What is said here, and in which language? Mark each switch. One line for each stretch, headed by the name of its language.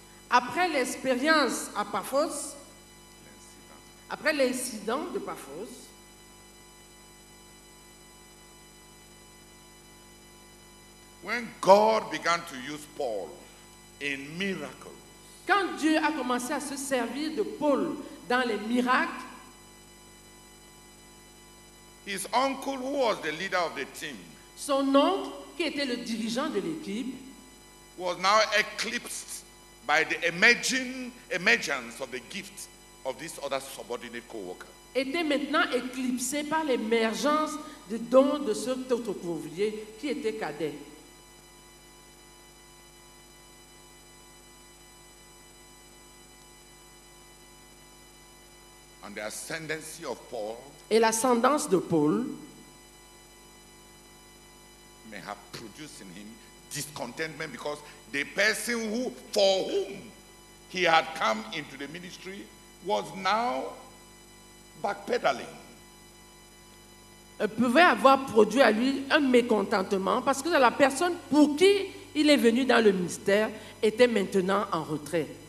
French: après l'expérience à Paphos, après l'incident de Paphos,
English: when God began to use Paul in miracles,
French: quand Dieu a commencé à se servir de Paul dans les miracles,
English: his uncle, who was the leader of the team,
French: son oncle qui était le dirigeant de l'équipe,
English: was now eclipsed by the emergence of the gift of this other subordinate co-worker.
French: Était maintenant éclipsé par l'émergence des dons de cet autre co-ouvrier qui était cadet.
English: And the ascendancy of Paul,
French: et l'ascendance de Paul,
English: may have produced in him discontentment because the person who, for whom he had come into the ministry, was now backpedaling.
French: Pouvait avoir produit à lui un mécontentement parce que la personne pour qui il est venu dans le ministère était maintenant en retrait.